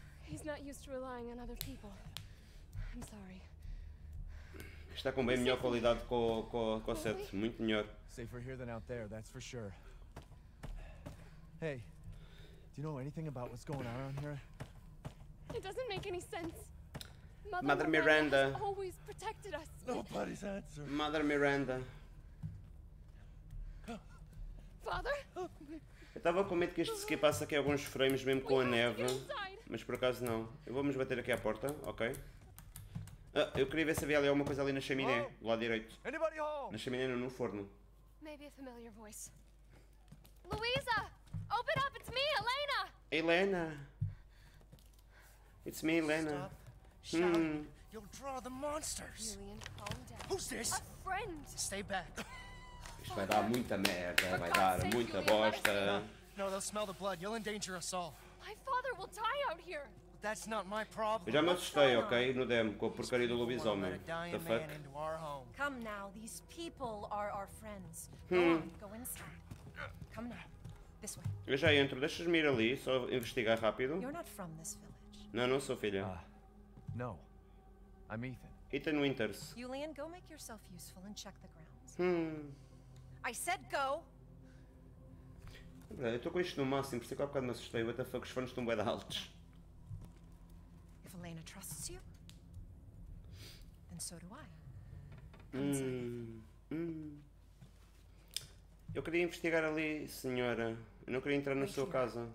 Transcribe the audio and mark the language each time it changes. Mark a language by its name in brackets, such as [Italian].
[English] He's not used to relying on other people. I'm sorry. [Portuguese] Está com bem melhor qualidade com a set. Muito melhor. [English] Safer here than out there, that's for sure. Hey, do you know anything about what's going on around here? It doesn't make any sense. Mother Miranda has always protected us. Nobody's answer. Mother Miranda. Father? [Portuguese] Eu estava com medo que este skip passe aqui alguns frames mesmo com a neve. Mas por acaso não. Eu vou-me bater aqui à porta, ok? Ah, eu queria ver se havia ali alguma coisa ali na chaminé, do lado direito. Na chaminé ou no forno. [English] Maybe a familiar voice. Luisa! Open up, it's me, Helena! Helena! It's me, Helena. You'll draw the monsters! Julian, calm down. Who's this? A friend! Stay back! [Portuguese] Isto vai dar muita merda, vai dar muita bosta. [English] No, they'll smell the blood. You'll endanger us all. My father will die out here. That's not my problem. [Portuguese] Eu já me assustei, ok? No demo, com a porcaria do lobisomem. [English] The fuck? Come now, these people are our friends. Go inside. Come now. This way. [Portuguese] Eu já entro, deixas-me ir ali, só investigar rápido. [English] You're not from this village. [Portuguese] Não, não sou filha. [English] No. I'm Ethan. Ethan Winters. Julian, go make yourself useful and check the grounds. I said go! [Portuguese] Eu estou com isto no máximo, por isso que há bocado me assustei. [English] What the fuck, [Portuguese] os fones estão bué de altos. [English] If Helena trusts you, then so do I. [Portuguese] Eu queria investigar ali, senhora. Eu não queria entrar na sua casa.